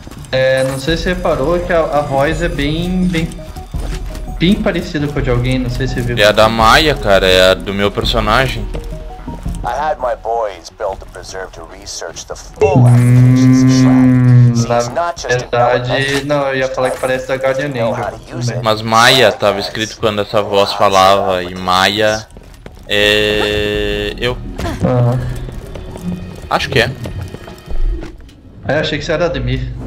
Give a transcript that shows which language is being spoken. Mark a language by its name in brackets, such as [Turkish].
[Portuguese] É, não sei se você reparou que a voz é bem parecida com a de alguém, não sei se você viu. É a da Maya, cara, é a do meu personagem. [English] I had my boys build the preserve to research the full aftermath of the shroud. [Portuguese] Na verdade, não, eu ia falar que parece da Guardian Angel. Mas Maya tava escrito quando essa voz falava, e Maya é... eu. Uh-huh. Acho que é. É, achei que você era Ademir.